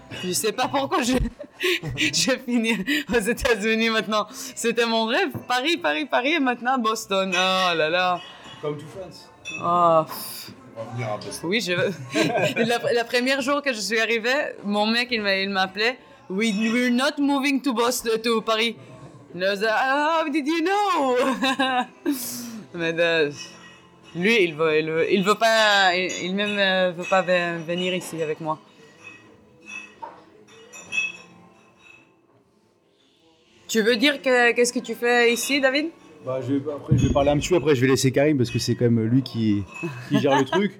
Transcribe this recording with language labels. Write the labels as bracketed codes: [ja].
[fr] Je sais pas pourquoi je finis aux États-Unis maintenant. C'était mon rêve. Paris, et maintenant Boston. Oh là là. Comme tout France. Oh. On va venir à Boston. Oui, la première jour que je suis arrivée, mon mec, il m'a appelé. [en] We're not moving to Boston, to Paris. And I was like, oh, did you know? [fr] Mais lui, il veut pas venir ici avec moi. Tu veux dire qu'est-ce que tu fais ici, David ? Bah, je vais parler un petit peu, après je vais laisser Karim parce que c'est quand même lui qui gère le truc.